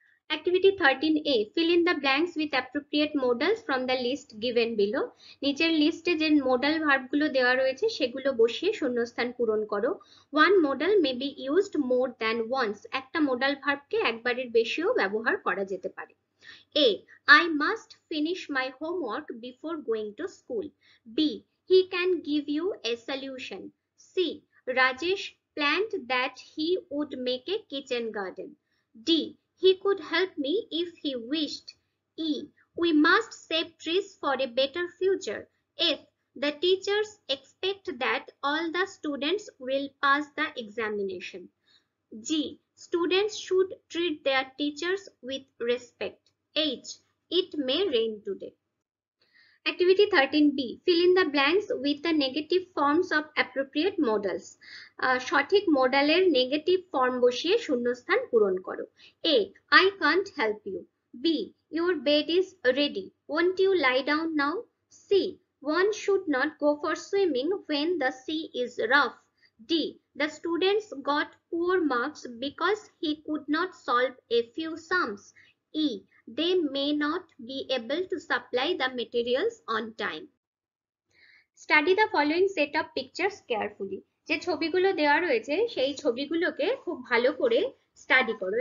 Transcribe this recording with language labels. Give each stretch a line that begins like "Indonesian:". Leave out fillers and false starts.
English: Activity 13A, fill in the blanks with appropriate modals from the list given below.
Bangla: নিচের লিস্টে যে modal ভার্বগুলো দেওয়া রয়েছে সেগুলো বসিয়ে শূন্যস্থান পূরণ করো।
English: one modal may be used more than once,
Bangla: একটা মোডাল ভার্বকে একবারের বেশিও ব্যবহার করা যেতে পারে।
English: A, I must finish my homework before going to school. B, he can give you a solution. C, Rajesh planned that he would make a kitchen garden. D, he could help me if he wished. E, we must save trees for a better future. F, the teachers expect that all the students will pass the examination. G, students should treat their teachers with respect. H, it may rain today. Activity 13B, fill in the blanks with the negative forms of appropriate modals.
Bangla: সঠিক মডেলের negative form বসিয়ে শূন্যস্থান পূরণ করো।
English: A, I can't help you. B, your bed is ready. Won't you lie down now? C, one should not go for swimming when the sea is rough. D, the students got poor marks because he could not solve a few sums. E, they may not be able to supply the materials on time. Study the following set of pictures carefully.
Bangla: যে ছবিগুলো দেওয়া রয়েছে সেই ছবিগুলোকে খুব ভালো করে study করো।